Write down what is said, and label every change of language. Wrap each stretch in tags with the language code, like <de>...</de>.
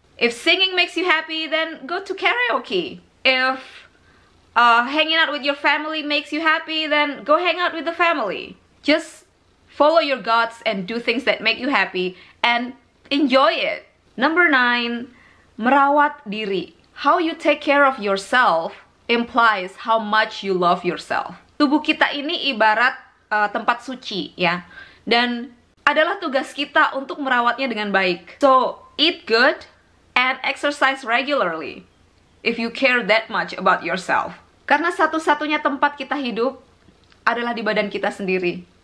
<en>If singing makes you happy, then go to karaoke. If hanging out with your family makes you happy, then go hang out with the family. Just follow your guts and do things that make you happy and enjoy it. Number 9,</en> <id>merawat diri.</id> <en>How you take care of yourself implies how much you love yourself.</en> <id>Tubuh kita ini ibarat tempat suci, ya. Dan adalah tugas kita untuk merawatnya dengan baik.</id> <en>So, eat good and exercise regularly if you care that much about yourself.</en> <id>Karena satu-satunya tempat kita hidup adalah di badan kita sendiri.</id>